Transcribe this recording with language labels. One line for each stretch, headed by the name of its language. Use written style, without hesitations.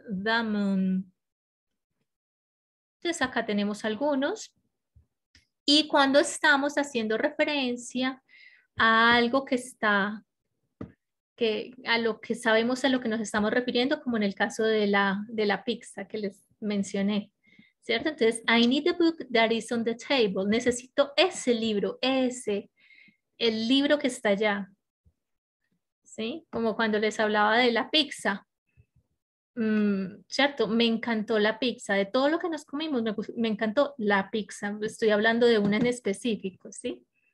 Spanish: Entonces acá tenemos algunos. Y cuando estamos haciendo referencia a algo a lo que nos estamos refiriendo, como en el caso de la pizza que les mencioné, ¿cierto?
English: Entonces, I need the book that is on the table.
Spanish: Necesito ese libro, el libro que está allá. ¿Sí? Como cuando les hablaba de la pizza, ¿cierto? Me encantó la pizza, de todo lo que nos comimos, me encantó la pizza, estoy hablando de una en específico, ¿sí?